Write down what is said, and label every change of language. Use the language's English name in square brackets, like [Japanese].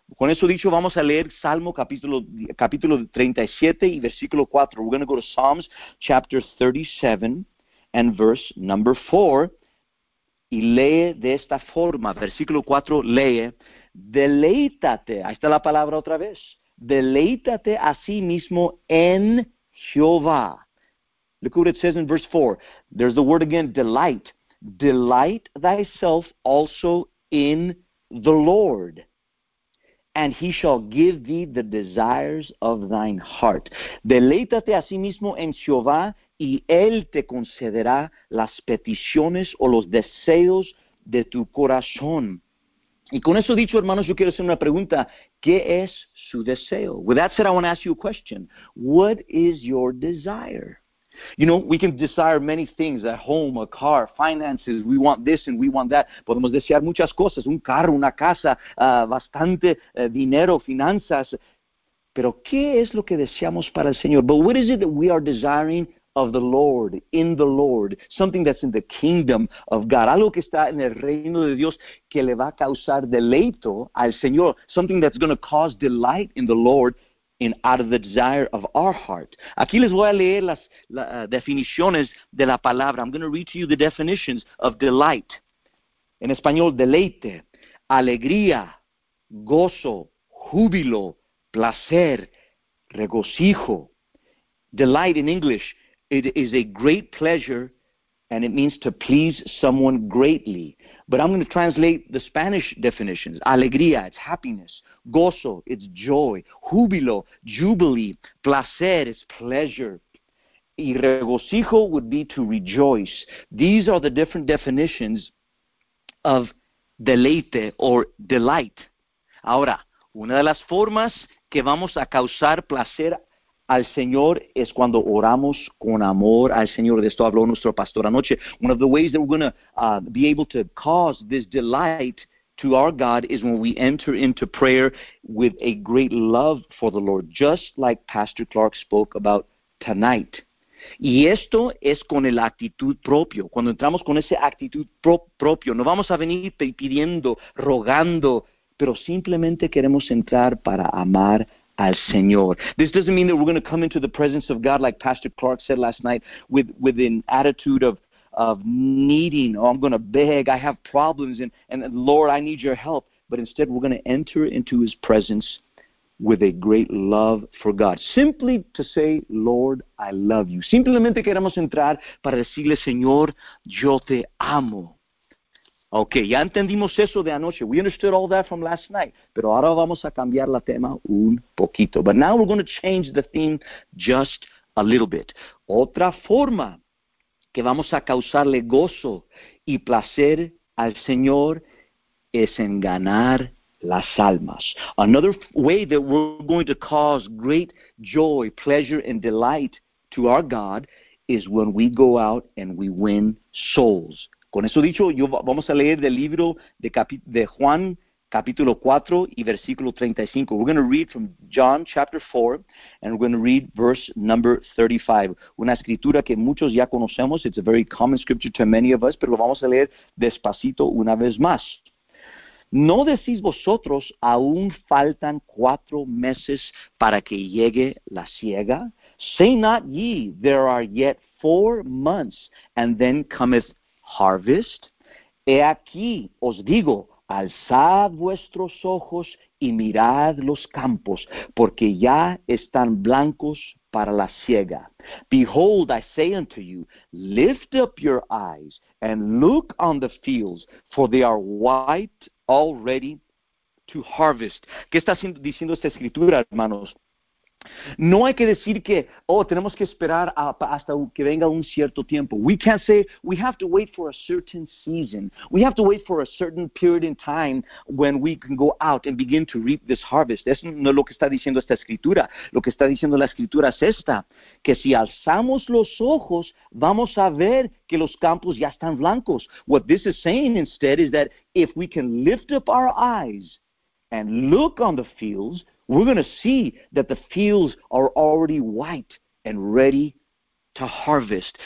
[Spanish] Con eso dicho, vamos a leer Salmo capítulo 37 y versículo 4. [English] We're going to go to Psalms chapter 37 and verse number 4. [Spanish] Y lee de esta forma. Versículo 4, lee. Deleítate. Ahí está la palabra otra vez. Deleítate a sí mismo en Jehová. [English] Look what it says in verse 4. There's the word again, delight. Delight thyself also in the Lord, and he shall give thee the desires of thine heart. [Spanish] Deleítate a sí mismo en Jehová, y él te concederá las peticiones o los deseos de tu corazón. Y con eso dicho, hermanos, yo quiero hacer una pregunta. ¿Qué es su deseo? [English] With that said, I want to ask you a question. What is your desire? You know, we can desire many things, a home, a car, finances, we want this and we want that. [Spanish] Podemos desear muchas cosas, un carro, una casa, bastante dinero, finanzas. Pero ¿qué es lo que deseamos para el Señor? [English] But what is it that we are desiring of the Lord, in the Lord? Something that's in the kingdom of God. [Spanish] Algo que está en el reino de Dios que le va a causar deleito al Señor. [English] Something that's going to cause delight in the Lord. In out of the desire of our heart. [Spanish] Aquí les voy a leer las definiciones de la palabra. [English] I'm going to read to you the definitions of delight. [Spanish] En español, deleite, alegría, gozo, júbilo, placer, regocijo. [English] Delight in English, it is a great pleasure, and it means to please someone greatly. But I'm going to translate the Spanish definitions. Alegría, it's happiness. Gozo, it's joy. Júbilo, jubilee. Placer, it's pleasure. Y regocijo would be to rejoice. These are the different definitions of deleite or delight. [Spanish] Ahora, una de las formas que vamos a causar placer al Señor es cuando oramos con amor al Señor. De esto habló nuestro pastor anoche. [English] One of the ways that we're going to be able to cause this delight to our God is when we enter into prayer with a great love for the Lord, just like Pastor Clark spoke about tonight. [Spanish] Y esto es con el actitud propio. Cuando entramos con ese actitud propio, no vamos a venir pidiendo, rogando, pero simplemente queremos entrar para amar al Señor. [English] This doesn't mean that we're going to come into the presence of God, like Pastor Clark said last night, with an attitude of needing, oh, I'm going to beg, I have problems, and Lord, I need your help. But instead, we're going to enter into His presence with a great love for God. Simply to say, Lord, I love you. [Spanish] Simplemente queremos entrar para decirle, Señor, yo te amo. Okay, ya entendimos eso de anoche. [English] We understood all that from last night. [Spanish] Pero ahora vamos a cambiar la tema un poquito. [English] But now we're going to change the theme just a little bit. [Spanish] Otra forma que vamos a causarle gozo y placer al Señor es en ganar las almas. [English] Another way that we're going to cause great joy, pleasure, and delight to our God is when we go out and we win souls. [Spanish] Con eso dicho, vamos a leer del libro de Juan, capítulo 4 y versículo 35. [English] We're going to read from John chapter 4, and we're going to read verse number 35. [Spanish] Una escritura que muchos ya conocemos. [English] It's a very common scripture to many of us, [Spanish] pero lo vamos a leer despacito una vez más. No decís vosotros, aún faltan 4 meses para que llegue la siega. [English] Say not ye, there are yet 4 months, and then cometh harvest. [Spanish] He aquí, os digo, alzad vuestros ojos y mirad los campos, porque ya están blancos para la siega. [English] Behold, I say unto you, lift up your eyes and look on the fields, for they are white already to harvest. [Spanish] ¿Qué está diciendo esta escritura, hermanos? No hay que decir que, oh, tenemos que esperar hasta que venga un cierto tiempo. [English] We can't say, we have to wait for a certain season. We have to wait for a certain period in time when we can go out and begin to reap this harvest. [Spanish] Eso no es lo que está diciendo esta escritura. Lo que está diciendo la escritura es esta, que si alzamos los ojos, vamos a ver que los campos ya están blancos. [English] What this is saying instead is that if we can lift up our eyes and look on the fields, we're going to see that the fields are already white and ready to harvest.